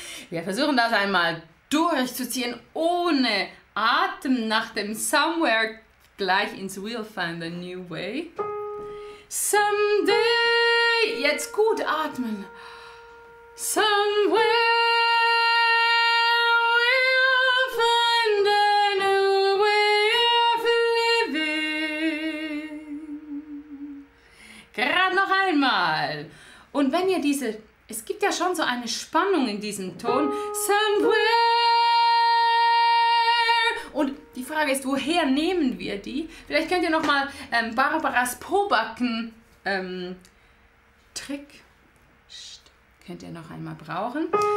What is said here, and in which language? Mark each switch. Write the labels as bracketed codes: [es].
[de] Wir versuchen das einmal durchzuziehen, ohne Atem nach dem Somewhere gleich ins [en] We'll find a new way. [de] Someday, jetzt gut atmen. [en] Somewhere we'll find a new way of living. [de] Gerade noch einmal. Und wenn ihr diese Es gibt ja schon so eine Spannung in diesem Ton. [en] Somewhere. [de] Und die Frage ist, woher nehmen wir die? Vielleicht könnt ihr nochmal Barbaras Pobacken Trick könnt ihr noch einmal brauchen.